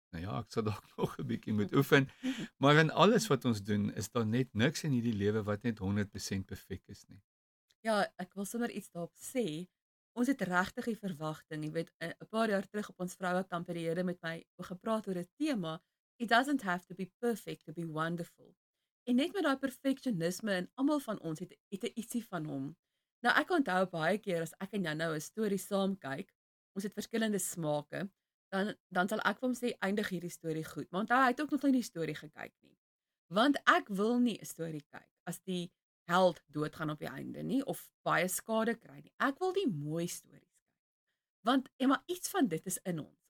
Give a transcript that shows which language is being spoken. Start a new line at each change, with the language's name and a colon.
Afrikaans: Nou ja, ek sal dalk nog 'n bietjie moet oefen, maar in alles wat ons doen, is daar net niks in hierdie lewe wat net 100% perfek is nie. Ja, ek wil sommer iets daarop sê, ons het regtig die verwagting, jy weet, 'n paar jaar terug op ons vrouwekamp het die Here met my gepraat oor 'n tema,
English: it doesn't have to be perfect to be wonderful.
Afrikaans: En net met die perfectionisme en allemaal van ons het ietsie van hom. Nou ek onthou baie keer as ek en jou nou 'n story saam kyk, ons het verskillende smake, dan sal ek vir hom sê, eindig hierdie story goed. Maar onthou, hy het ook nog nie die story gekyk nie. Want ek wil nie 'n story kyk as die held doodgaan op die einde nie, of baie skade kry nie. Ek wil die mooie stories kyk. Want maar iets van dit is in ons.